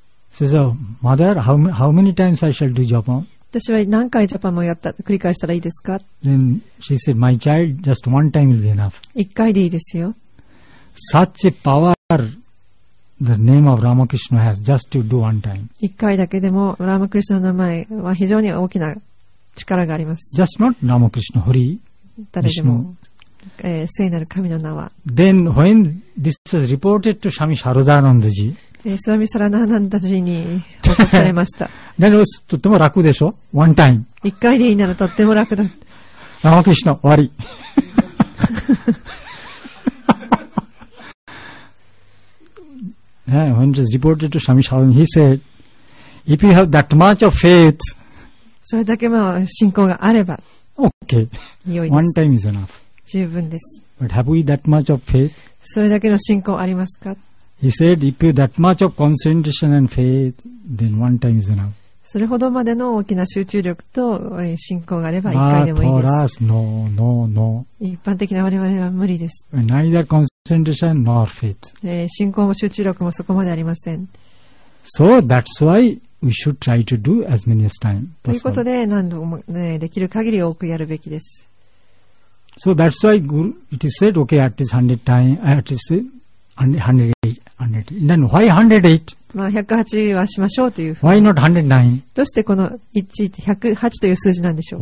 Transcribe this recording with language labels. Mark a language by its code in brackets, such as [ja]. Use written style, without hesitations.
[en] Says, Mother, how many times I shall do Japan? [ja] 私は何回ジャパンもやった繰り返したらいいですか。 [en] Then she said, "My child, just one time will be enough." [ja] 一回でいいですよ。 [en] Such a power, the name of Ramakrishna has, just to do one time. [ja] 一回だけでもラマクリシュナの名前は非常に大きな力があります。 [en] Just not Ramakrishna, Hari, Vishnu. [ja] 聖なる神の名は。 [en] Then when this was reported to Swami Sarodananda Ji. [ja] スワミサラナナンダジに報告されました。でもとっても楽でしょ。 [en] ワンタイム [ja] 一回でいいならとっても楽だ。ラマクリシュナ終わり。 [en] When it was reported to Swami Sarodananda, he said, If you have that much of faith, [ja] それだけの信仰があれば [en] OK、 One time is enough、 [ja] 十分です。 [en] But have we that much of faith? [ja] それだけの信仰ありますか。 [en] He said, if you that much of concentration and faith, then one time is enough. [ja] それほどまでの大きな集中力と信仰があれば一回でもいいです。 [en] But for us, no, no, no. [ja] 一般的な我々は無理です。 [en] Neither concentration nor faith. [ja] 信仰も集中力もそこまでありません。 [en] So that's why we should try to do as many as time. [ja] ということで何度も、ね、できる限り多くやるべきです。 [en] So that's why it is said, okay, at least 100 times, at least 108. [ja] まあ108はしましょうという。 [en] Why not 109? [ja] どうしてこの108という数字なんでしょう。